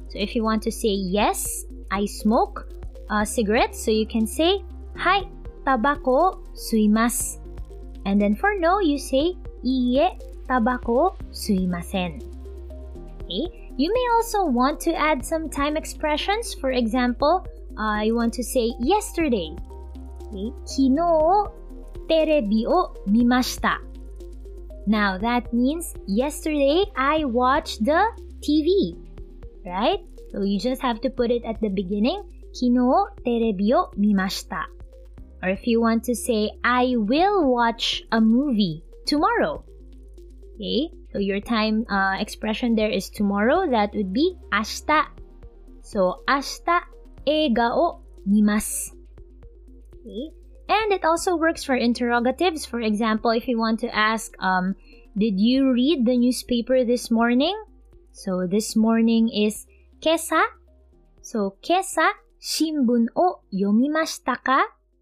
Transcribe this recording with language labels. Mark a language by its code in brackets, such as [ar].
[en] So if you want to say yes, I smoke cigarettes, so you can say [ja] hai tabako o suimasu. [en] And then for no, you say [ja] iie tabako o suimasen. [en] Okay? You may also want to add some time expressions. For example, I want to say yesterday. Okay. [ja] 昨日, テレビ を見ました. [en] Now, that means yesterday I watched the TV. Right? So you just have to put it at the beginning. [ja] 昨日, テレビ を見ました. [en] Or if you want to say I will watch a movie tomorrow. Okay? So your time expression there is tomorrow, that would be 明日. [ja] So 明日, 映画 を見ます. [en] Okay? And it also works for interrogatives. For example, if you want to ask, did you read the newspaper this morning? So this morning is 今朝. [ja] So 今朝, 新聞 を読みましたか?